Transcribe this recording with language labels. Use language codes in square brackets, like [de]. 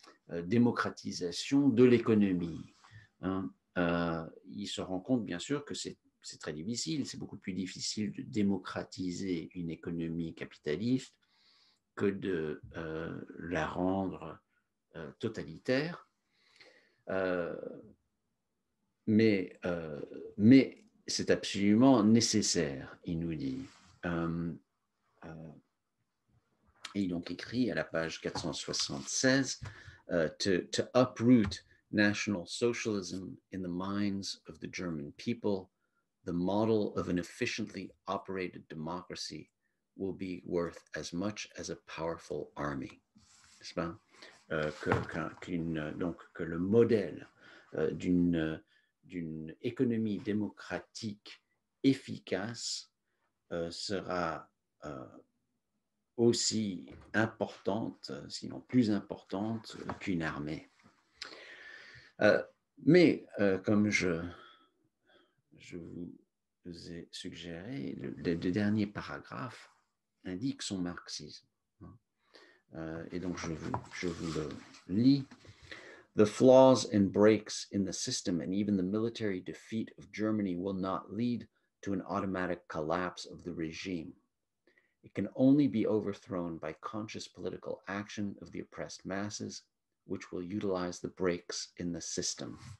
[fr] Démocratisation de l'économie. Il se rend compte bien sûr que c'est très difficile, c'est beaucoup plus difficile de démocratiser une économie capitaliste que de la rendre totalitaire. Mais c'est absolument nécessaire, il nous dit. Et il donc écrit à la page 476 [en] to uproot national socialism in the minds of the German people, the model of an efficiently operated democracy will be worth as much as a powerful army. [fr] N'est-ce pas? Que le modèle d'une économie démocratique efficace sera aussi importante, sinon plus importante, qu'une armée. Mais comme je vous ai suggéré, le dernier paragraphe indique son marxisme. Et donc je vous le lis. [en] The flaws and breaks in the system and even the military defeat of Germany will not lead to an automatic collapse of the regime. It can only be overthrown by conscious political action of the oppressed masses, which will utilize the breaks in the system.